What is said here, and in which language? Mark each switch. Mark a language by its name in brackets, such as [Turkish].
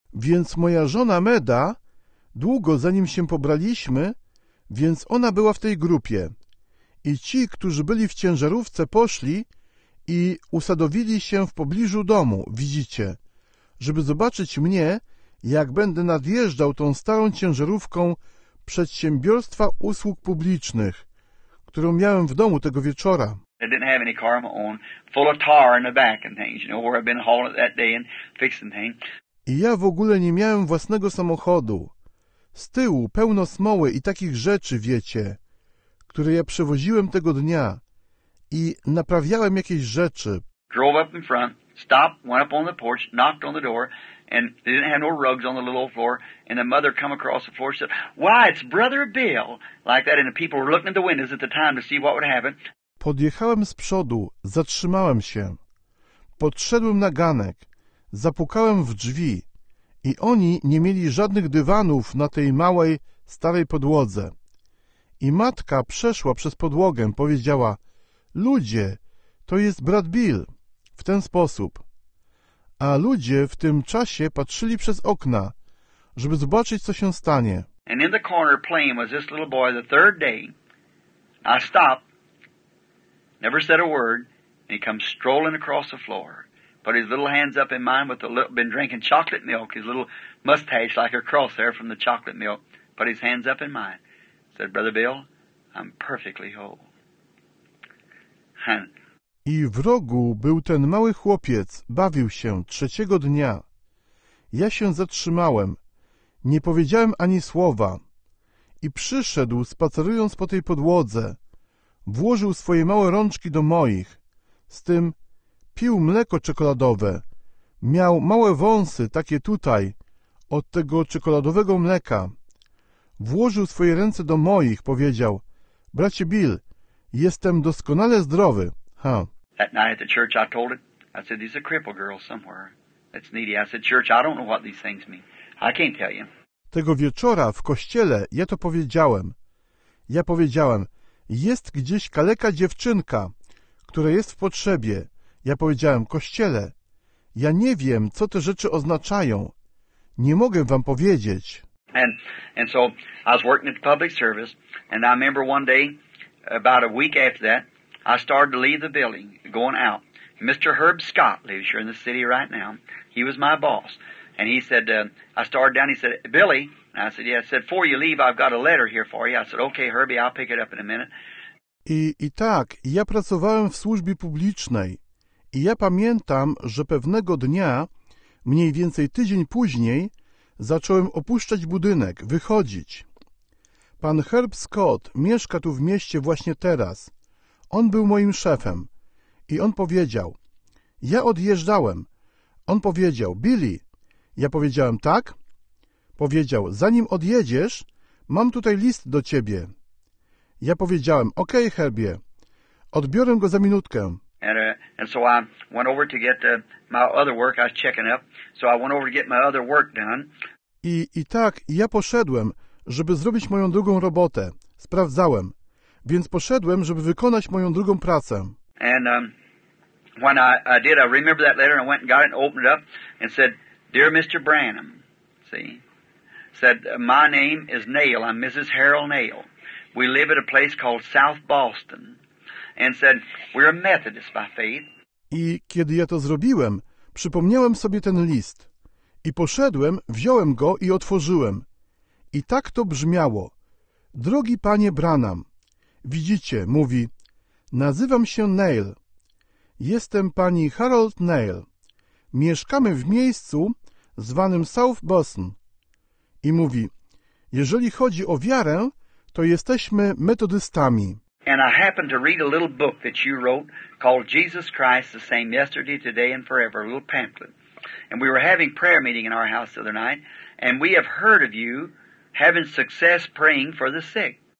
[Polish] Więc moja żona Meda, długo zanim się pobraliśmy, więc ona była w tej grupie. I ci, którzy byli w ciężarówce, poszli i usadowili się w pobliżu domu, widzicie, żeby zobaczyć mnie, jak będę nadjeżdżał tą starą ciężarówką przedsiębiorstwa usług publicznych, którą miałem w domu tego wieczora. [English] I didn't have any car of my own, full of tar in the back and things, you know, where I've been hauling that day and fixing things. [Polish] I ja w ogóle nie miałem własnego samochodu. Z tyłu pełno smoły i takich rzeczy, wiecie, które ja przewoziłem tego dnia. I naprawiałem jakieś rzeczy. [English] Drove up in front, stopped, went up on the porch, knocked on the door, and they didn't have no rugs on the little old floor, and the mother come across the floor and said, Why, it's Brother Bill! Like that, and the people were looking at the windows at the time to see what would happen. [Polish] Podjechałem z przodu, zatrzymałem się. Podszedłem na ganek, zapukałem w drzwi i oni nie mieli żadnych dywanów na tej małej, starej podłodze. I matka przeszła przez podłogę, powiedziała, Ludzie, to jest brat Bill, w ten sposób. A ludzie w tym czasie patrzyli przez okna, żeby zobaczyć, co się stanie. [English] And in the corner playing was this little boy the third day. I stopped, never said a word, and he comes strolling across the floor. Put his little hands up in mine with a little, been drinking chocolate milk, his little mustache like a cross there from the chocolate milk. Put his hands up in mine, said, Brother Bill, I'm perfectly whole. [Polish] I w rogu był ten mały chłopiec, bawił się 3. dnia. Ja się zatrzymałem, nie powiedziałem ani słowa. I przyszedł, spacerując po tej podłodze, włożył swoje małe rączki do moich, z tym pił mleko czekoladowe, miał małe wąsy, takie tutaj, od tego czekoladowego mleka. Włożył swoje ręce do moich, powiedział, bracie Bill, jestem doskonale zdrowy, ha. [English] That night at the church I told it. I said, there's a cripple girl somewhere. That's needy. I said, church, I don't know what these things mean. I can't tell you. [Polish] Tego wieczora w kościele ja to powiedziałem. Ja powiedziałem, jest gdzieś kaleka dziewczynka, która jest w potrzebie. Ja powiedziałem, kościele, ja nie wiem, co te rzeczy oznaczają. Nie mogę wam powiedzieć. [English] And so I was working at the public service, and I remember one day, about a week after that, I started to leave the building, going out. Mr. Herb Scott lives here in the city right now. He was my boss. And he said, I started down, he said, Billy, and I said, yeah, I said, before you leave, I've got a letter here for you. I said, okay, Herbie, I'll pick it up in a minute. [Polish] I tak, ja pracowałem w służbie publicznej. I ja pamiętam, że pewnego dnia, mniej więcej tydzień później, zacząłem opuszczać budynek, wychodzić. Pan Herb Scott mieszka tu w mieście właśnie teraz. On był moim szefem. I on powiedział, ja odjeżdżałem. On powiedział, Billy. Ja powiedziałem, tak. Powiedział, zanim odjedziesz, mam tutaj list do ciebie. Ja powiedziałem, okej, Herbie, odbiorę go za minutkę. [English] And so I went over to get my other work. I was checking up. So I went over to get my other work done. [Polish] I tak, ja poszedłem, żeby zrobić moją drugą robotę. Sprawdzałem. Więc poszedłem, żeby wykonać moją drugą pracę. [English] And when I did, I remember that letter. And I went and got it and opened it up and said, Dear Mr. Branham, see, said, my name is Nail. I'm Mrs. Harold Nail. We live at a place called South Boston. And said, we're a Methodist by faith. [Polish] I kiedy ja to zrobiłem, przypomniałem sobie ten list. I poszedłem, wziąłem go i otworzyłem. I tak to brzmiało. Drogi panie Branham, widzicie, mówi, nazywam się Nail. Jestem pani Harold Nail. Mieszkamy w miejscu zwanym South Boston. I mówi, jeżeli chodzi o wiarę, to jesteśmy metodystami. [English] And I happened to read a little book that you wrote called Jesus Christ the Same Yesterday, Today and Forever, a little pamphlet. And we were having prayer meeting in our house the other night, and we have heard of you having success praying for the sick.